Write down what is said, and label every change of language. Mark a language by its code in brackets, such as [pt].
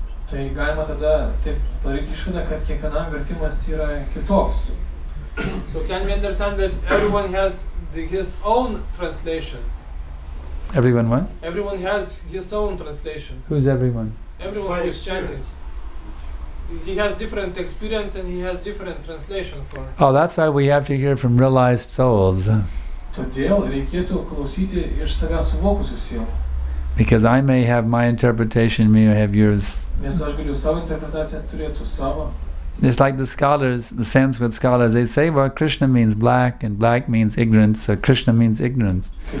[lt] Tai galima tada taip padaryti išvadą, kad kiekvienam vertimas yra kitoks. [en] So can we understand that everyone has his own translation? Everyone what? Everyone has his own translation. Who's everyone? Everyone who is chanting. He has different experience and he has different translation for. Oh, that's why we have to hear from realized souls. [lt] Todėl reikėtų klausyti iš save suvokusių sielų. [en] Because I may have my interpretation, me may have yours. It's like the scholars, the Sanskrit scholars, they say, well, Krishna means black, and black means ignorance, so Krishna means ignorance.